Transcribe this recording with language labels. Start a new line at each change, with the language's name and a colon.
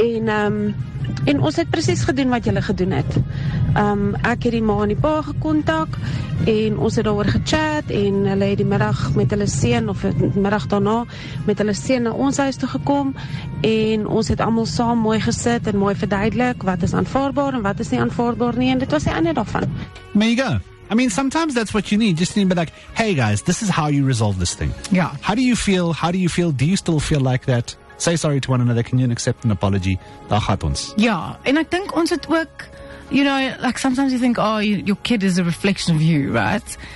Afrikaans: En ons het precies gedoen wat julle gedoen het. Ek het die ma en die pa gekontak en ons het daaroor gechat en hulle het die middag met hulle seun of die middag daarna met hulle seun na ons huis toe gekom en ons het allemaal saam mooi gesit en mooi verduidelik wat is aanvaardbaar en wat is nie aanvaardbaar nie en dit was die einde daarvan. Mega.
English: I mean, sometimes that's what you need. Just need to be like, hey guys, this is how you resolve this thing. Yeah. How do you feel? How do you feel? Do you still feel like that? Say sorry to one another. Can you accept an apology?
Afrikaans: Daar gaat ons.
English: Yeah. And I think
Afrikaans: ons het ook,
English: you know, like sometimes you think, oh, your kid is a reflection of you, right?